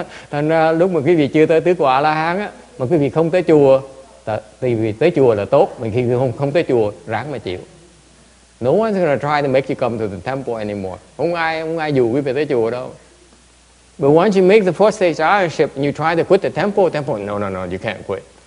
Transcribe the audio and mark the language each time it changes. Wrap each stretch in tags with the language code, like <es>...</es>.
<vi>Thành ra lúc mà quý vị chưa tới tứ quả la hán á, mà quý vị không tới chùa, tại vì tới chùa là tốt, mà khi không tới chùa, ráng mà chịu.</vi> <en>No one's gonna try to make you come to the temple anymore.</en> <vi>Không ai dù quý vị tới chùa đâu.</vi> <en>But once you make the fourth stage arhatship and you try to quit the temple, no, you can't quit.</en>